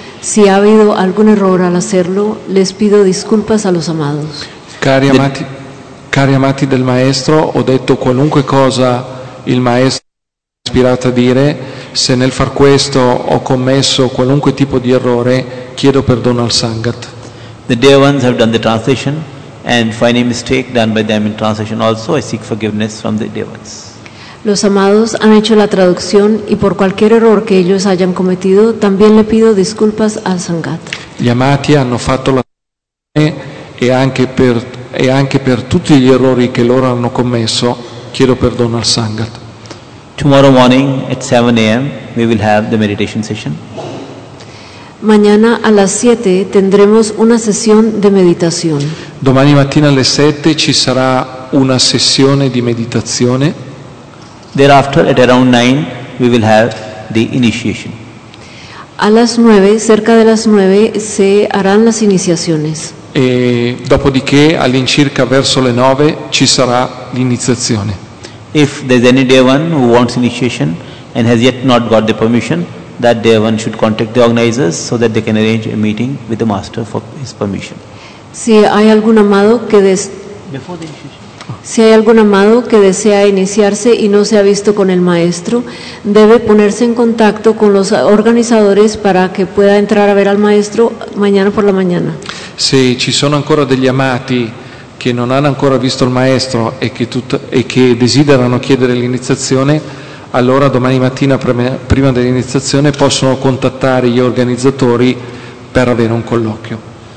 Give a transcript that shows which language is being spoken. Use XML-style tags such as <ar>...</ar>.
<es>Si ha habido algún error al hacerlo, les pido disculpas a los amados.</es> <it>Cari amati del maestro, ho detto qualunque cosa il maestro mi ha ispirato a dire. Se nel far questo ho commesso qualunque tipo di errore, chiedo perdono al Sangat.</it> <en>The dear ones have done the translation, and for any mistake done by them in translation also, I seek forgiveness from the dear ones.</en> <es>Los amados han hecho la traducción y por cualquier error que ellos hayan cometido, también le pido disculpas al Sangat.</es> <it>Gli amati hanno fatto la traduzione e anche per tutti gli errori che loro hanno commesso, chiedo perdono al Sangat.</it> <en>Tomorrow morning at 7 a.m. we will have the meditation session.</en> <es>Mañana a las 7 tendremos una sesión de meditación.</es> <it>Domani mattina alle 7 ci sarà una sessione di meditazione.</it> <en>Thereafter at around 9 we will have the initiation.</en> <es>A las 9, cerca de las 9 se harán las iniciaciones.</es> <it>E dopodiché all'incirca verso le 9 ci sarà l'iniziazione.</it> <en>If there's any devan who wants initiation and has yet not got the permission, that devan should contact the organizers so that they can arrange a meeting with the master for his permission.</en> <es>Si hay algún amado que desea iniciarse y no se ha visto con el maestro, debe ponerse en contacto con los organizadores para que pueda entrar a ver al maestro mañana por la mañana.</es> <it>Se ci sono ancora degli amati che non hanno ancora visto il maestro e che desiderano chiedere l'iniziazione, allora domani mattina prima dell'iniziazione possono contattare gli organizzatori per avere un colloquio.</it>